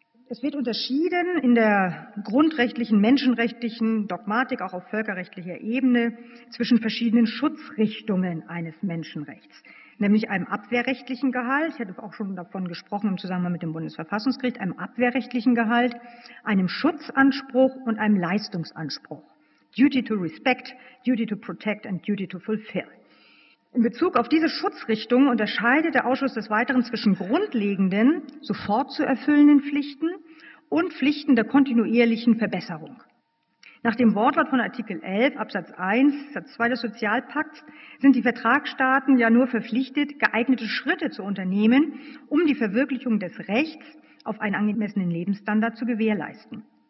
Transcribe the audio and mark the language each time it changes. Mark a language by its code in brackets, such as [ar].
[de] Es wird unterschieden in der grundrechtlichen, menschenrechtlichen Dogmatik, auch auf völkerrechtlicher Ebene, zwischen verschiedenen Schutzrichtungen eines Menschenrechts. Nämlich einem abwehrrechtlichen Gehalt, ich hatte auch schon davon gesprochen im Zusammenhang mit dem Bundesverfassungsgericht, einem abwehrrechtlichen Gehalt, einem Schutzanspruch und einem Leistungsanspruch. [en] Duty to respect, duty to protect and duty to fulfill. [de] In Bezug auf diese Schutzrichtung unterscheidet der Ausschuss des Weiteren zwischen grundlegenden, sofort zu erfüllenden Pflichten und Pflichten der kontinuierlichen Verbesserung. Nach dem Wortlaut von Artikel 11 Absatz 1 Satz 2 des Sozialpakts sind die Vertragsstaaten ja nur verpflichtet, geeignete Schritte zu unternehmen, um die Verwirklichung des Rechts auf einen angemessenen Lebensstandard zu gewährleisten.